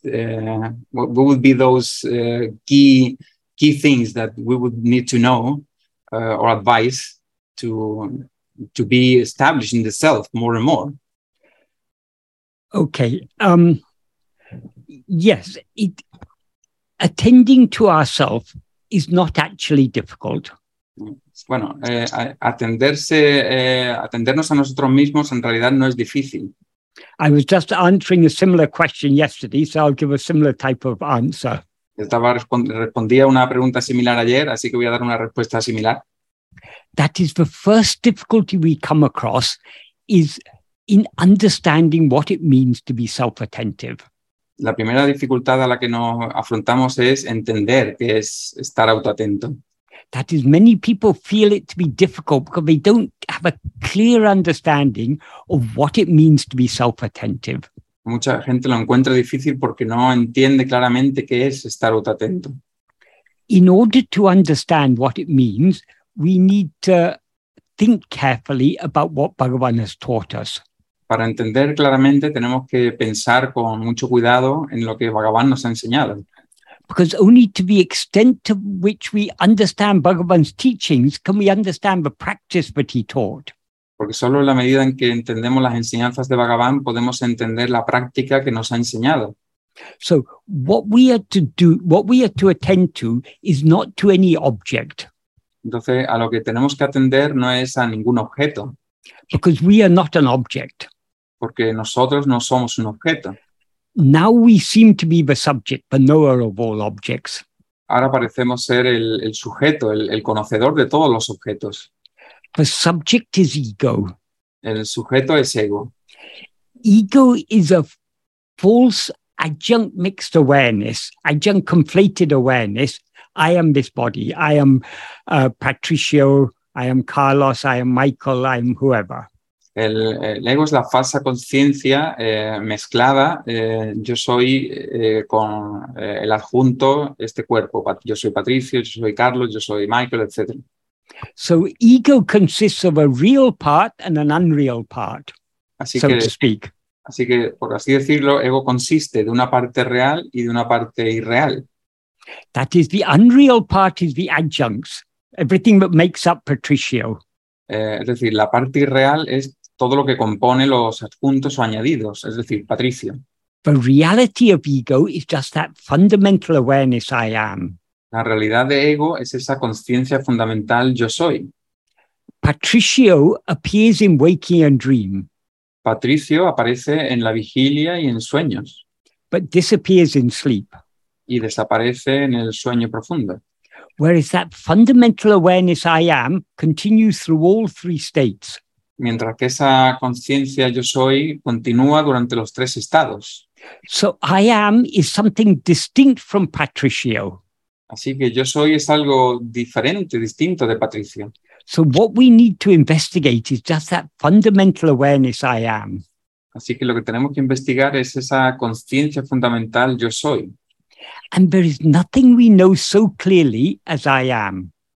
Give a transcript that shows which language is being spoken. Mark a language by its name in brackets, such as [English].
[English] What would be those key things that we would need to know or advice to be establishing the self more and more? Okay. Yes, attending to ourself is not actually difficult. [Spanish] Bueno, atendernos a nosotros mismos en realidad no es difícil. [English] I was just answering a similar question yesterday, so I'll give a similar type of answer. [Spanish] Estaba respondía una pregunta similar ayer, así que voy a dar una respuesta similar. [English] That is the first difficulty we come across is in understanding what it means to be self-attentive. [Spanish] La primera dificultad a la que nos afrontamos es entender qué es estar autoatento. [English] That is, many people feel it to be difficult because they don't have a clear understanding of what it means to be self-attentive. [Spanish] Mucha gente lo encuentra difícil porque no entiende claramente qué es estar autoatento. [English] In order to understand what it means, we need to think carefully about what Bhagavan has taught us. [Spanish] Para entender claramente, tenemos que pensar con mucho cuidado en lo que Bhagavan nos ha enseñado. [English] Because only to the extent to which we understand Bhagavan's teachings can we understand the practice that he taught. [Spanish] Porque solo en la medida en que entendemos las enseñanzas de Bhagavan podemos entender la práctica que nos ha enseñado. [English] So what we are to attend to is not to any object. [Spanish] Entonces, a lo que tenemos que atender no es a ningún objeto. [English] Because we are not an object. [Spanish] Porque nosotros no somos un objeto. [English] Now we seem to be the subject, the knower of all objects. [Spanish] Ahora parecemos ser el sujeto, el conocedor de todos los objetos. [English] The subject is ego. [Spanish] El sujeto es ego. [English] Ego is a false adjunct mixed awareness, adjunct conflated awareness. I am this body. I am Patricio. I am Carlos. I am Michael. I am whoever. [Spanish] El ego es la falsa conciencia mezclada. Yo soy con el adjunto, este cuerpo. Yo soy Patricio, yo soy Carlos, yo soy Michael, etc. [English] So ego consists of a real part and an unreal part, so to speak. [Spanish] Así que, por así decirlo, ego consiste de una parte real y de una parte irreal. [English] That is, the unreal part is the adjuncts, everything that makes up Patricio. [Spanish] Es decir, la parte irreal es todo lo que compone los adjuntos o añadidos, es decir, Patricio. [English] The reality of ego is just that fundamental awareness I am. [Spanish] La realidad de ego es esa conciencia fundamental yo soy. [English] Patricio appears in waking and dream. [Spanish] Patricio aparece en la vigilia y en sueños. [English] But disappears in sleep. [Spanish] Y desaparece en el sueño profundo. [English] Whereas that fundamental awareness I am continues through all three states. [Spanish] Mientras que esa conciencia yo soy continúa durante los tres estados. [English] So I am is something distinct from Patricio. [Spanish] Así que yo soy es algo diferente, distinto de Patricio. [English] So what we need to investigate is just that fundamental awareness I am. [Spanish] Así que lo que tenemos que investigar es esa conciencia fundamental yo soy. [English] And there is nothing we know so clearly as I am.